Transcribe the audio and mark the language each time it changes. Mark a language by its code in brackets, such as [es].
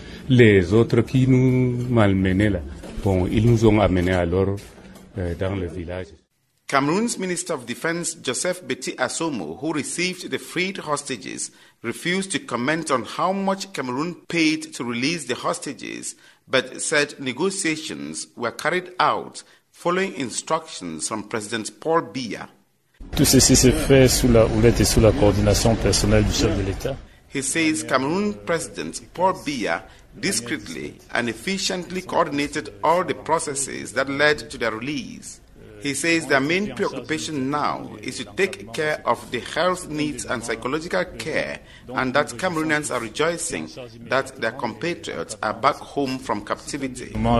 [fr] Les autres qui nous malmenaient là, bon, ils nous ont amenés alors dans le village. [en] Cameroon's Minister of Defense, Joseph Beti Asomo, who received the freed hostages, refused to comment on how much Cameroon paid to release the hostages, but said negotiations were carried out following instructions from President Paul Biya. [fr] Tout ceci s'est fait sous la houlette et sous la coordination personnelle du chef de l'État. [en] He says Cameroon President Paul Biya discreetly and efficiently coordinated all the processes that led to their release. He says their main preoccupation now is to take care of the health needs and psychological care, and that Cameroonians are rejoicing that their compatriots are back home from captivity.